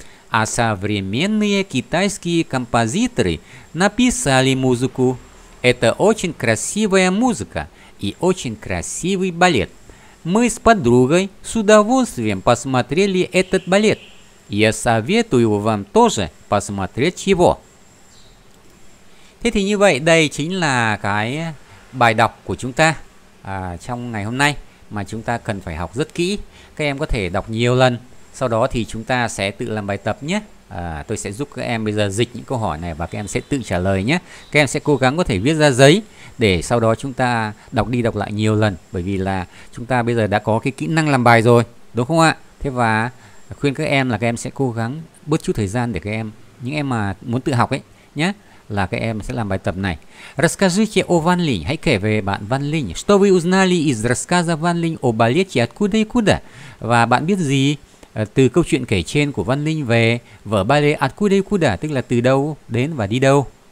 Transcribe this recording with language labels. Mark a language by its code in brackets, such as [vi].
[ru] А современные китайские композиторы написали музыку. Это очень красивая музыка и очень красивый балет. Мы с подругой с удовольствием посмотрели этот балет. Я советую вам тоже посмотреть его. [vi] Thế thì như vậy, đây chính là cái bài đọc của chúng ta trong ngày hôm nay mà chúng ta cần phải học rất kỹ. Các em có thể đọc nhiều lần, sau đó thì chúng ta sẽ tự làm bài tập nhé. Tôi sẽ giúp các em bây giờ dịch những câu hỏi này và các em sẽ tự trả lời nhé. Các em sẽ cố gắng có thể viết ra giấy để sau đó chúng ta đọc đi đọc lại nhiều lần, bởi vì là chúng ta bây giờ đã có cái kỹ năng làm bài rồi, đúng không ạ? Thế và khuyên các em là các em sẽ cố gắng bớt chút thời gian để các em, những em mà muốn tự học ấy nhé, là các em sẽ làm bài tập này. [ru] Расскажите о Ван Линь, [vi] hãy kể về bạn [ru] Ван Линь. Что вы узнали из рассказа Ван Линь о балете «Откуда и куда»? [vi] Và bạn biết gì từ câu chuyện kể trên của Ван Линь về vở ballet «Откуда и куда»? Tức là từ đâu đến và đi đâu.